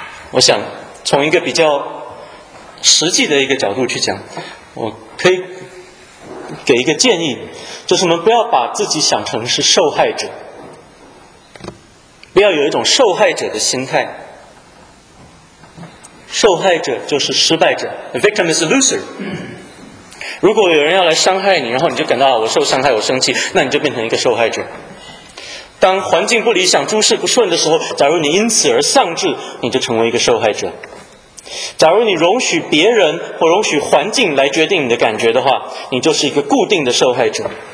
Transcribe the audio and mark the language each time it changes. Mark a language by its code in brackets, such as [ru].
[zh] 我想从一个比较实际的一个角度去讲，我可以给一个建议，就是我们不要把自己想成是受害者，不要有一种受害者的心态。受害者就是失败者， [en] The victim is a loser。 [zh] 如果有人要来伤害你，然后你就感到我受伤害，我生气，那你就变成一个受害者。当环境不理想，诸事不顺的时候，假如你因此而丧志，你就成为一个受害者。假如你容许别人或容许环境来决定你的感觉的话，你就是一个固定的受害者。